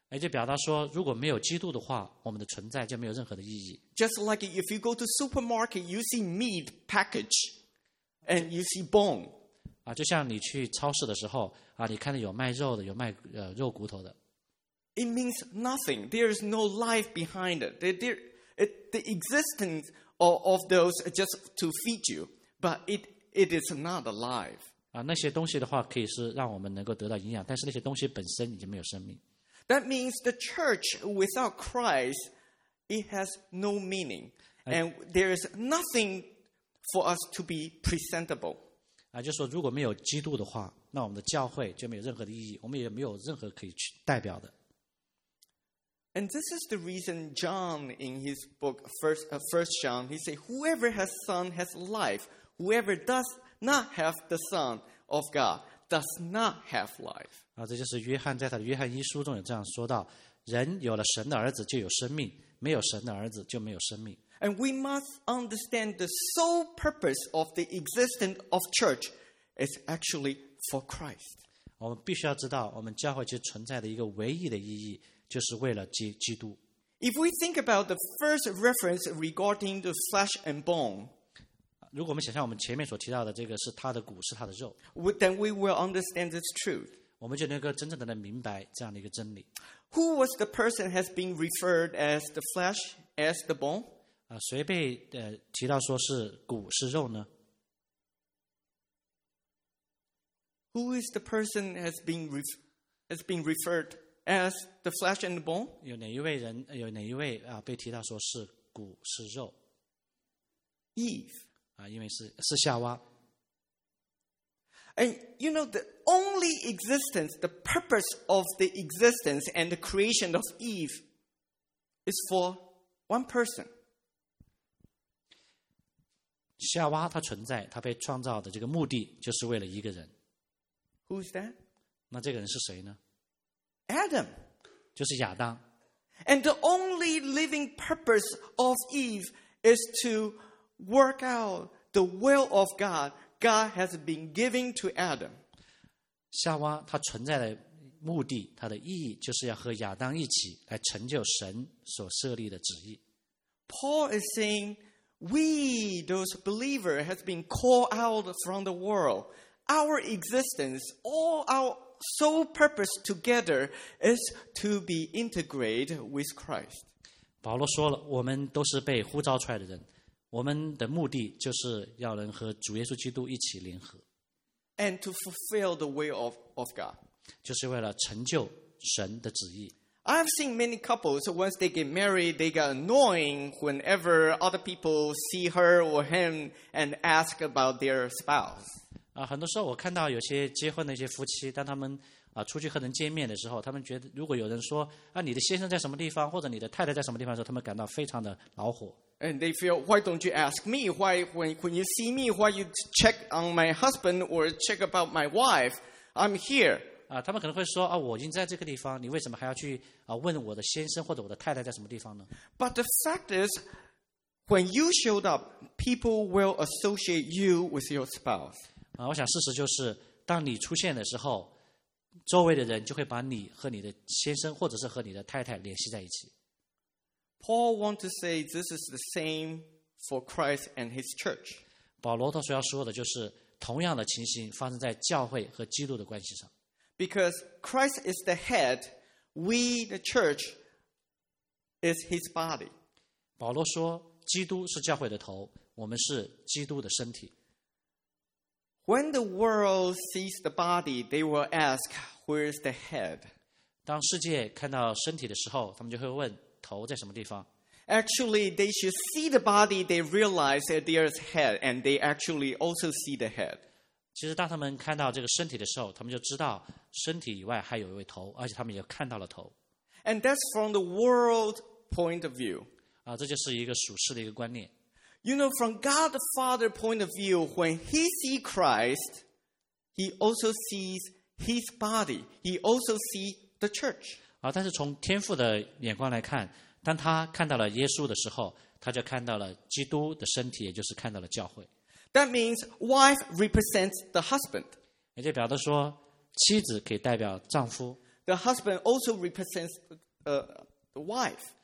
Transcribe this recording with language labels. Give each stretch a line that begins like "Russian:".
Chinese: 就表达说，如果没有基督的话，我们的存在就没有任何的意义。
English: Just like if you go to supermarket, you see meat package and you see bone.
Chinese: 就像你去超市的时候，你看到有卖肉的，有卖肉骨头的。
English: It means nothing. There is no life behind it. The existence of those just to feed you, but it is not alive.
Chinese: 那些东西的话可以是让我们能够得到营养，但是那些东西本身已经没有生命。
English: That means the church without Christ, it has no meaning. And there is nothing for us to be presentable.
Chinese: 就说如果没有基督的话，那我们的教会就没有任何的意义，我们也没有任何可以去代表的。
English: And this is the reason John in his book, First John, he said, whoever has son has life. Whoever does not have the Son of God does not have life.
Chinese: 这就是约翰在他的约翰一书中有这样说到，人有了神的儿子就有生命，没有神的儿子就没有生命。
English: And we must understand the sole purpose of the existence of church is actually for Christ.
Chinese: 我们必须要知道，我们教会其实存在的一个唯一的意义，就是为了基督。
English: If we think about the first reference regarding the flesh and bone,
Chinese: 如果我们想象我们前面所提到的这个是他的骨，是他的肉
English: ，then we will understand this truth.
Chinese: 我们就能够真正的明白这样的一个真理。
English: Who was the person has been referred as the flesh, as the bone?
Chinese: 谁被提到说是骨是肉呢
English: ？Who is the person has been referred as the flesh and the bone?
Chinese: 有哪一位被提到说是骨是肉。
English: Eve.
Chinese: 因为是夏娃。
English: And you know, the only existence, the purpose of the existence and the creation of Eve is for one person.
Chinese: 夏娃她存在，她被创造的这个目的就是为了一个人。
English: Who's that?
Chinese: 那这个人是谁呢？
English: Adam.
Chinese: 就是亚当。
English: And the only living purpose of Eve is to work out the will of God. God has been giving to Adam.
Chinese: 夏娃她存在的目的，她的意义就是要和亚当一起来成就神所设立的旨意。
English: Paul is saying, we, those believers, have been called out from the world. Our existence, all our sole purpose together is to be integrated with Christ.
Chinese: 保罗说了，我们都是被呼召出来的人。我们的目的就是要能和主耶稣基督一起联合。
English: And to fulfill the will of God.
Chinese: 就是为了成就神的旨意。
English: I've seen many couples, once they get married, they get annoying whenever other people see her or him and ask about their spouse.
Chinese: 很多时候我看到有些结婚的一些夫妻，当他们出去和人见面的时候，他们觉得如果有人说你的先生在什么地方，或者你的太太在什么地方的时候，他们感到非常的恼火。
English: And they feel, why don't you ask me? Why, when you see me, why you check on my husband or check about my wife? I'm here.
Chinese: 他们可能会说我已经在这个地方，你为什么还要去问我的先生或者我的太太在什么地方呢？
English: But the fact is, when you showed up, people will associate you with your spouse.
Chinese: 我想事实就是，当你出现的时候，周围的人就会把你和你的先生或者是和你的太太联系在一起。
English: Paul wants to say this is the same for Christ and his church.
Chinese: 保罗他所要说的就是同样的情形发生在教会和基督的关系上。
English: Because Christ is the head, we the church is his body.
Chinese: 保罗说基督是教会的头，我们是基督的身体。
English: When the world sees the body, they will ask, where is the head?
Chinese: 当世界看到身体的时候，他们就会问头在什么地方。
English: Actually, they should see the body, they realize that there is head, and they actually also see the head.
Chinese: 其实当他们看到这个身体的时候，他们就知道身体以外还有一位头，而且他们也看到了头。
English: And that's from the world point of view.
Chinese: 这就是一个属世的一个观念。
English: You know, from God the Father point of view, when he sees Christ, he also sees his body. He also sees the church.
Chinese: 但是从天父的眼光来看，当他看到了耶稣的时候，他就看到了基督的身体，也就是看到了教会。
English: That means wife represents the husband.
Chinese: 也就表示说，妻子可以代表丈夫。
English: The husband also represents the wife.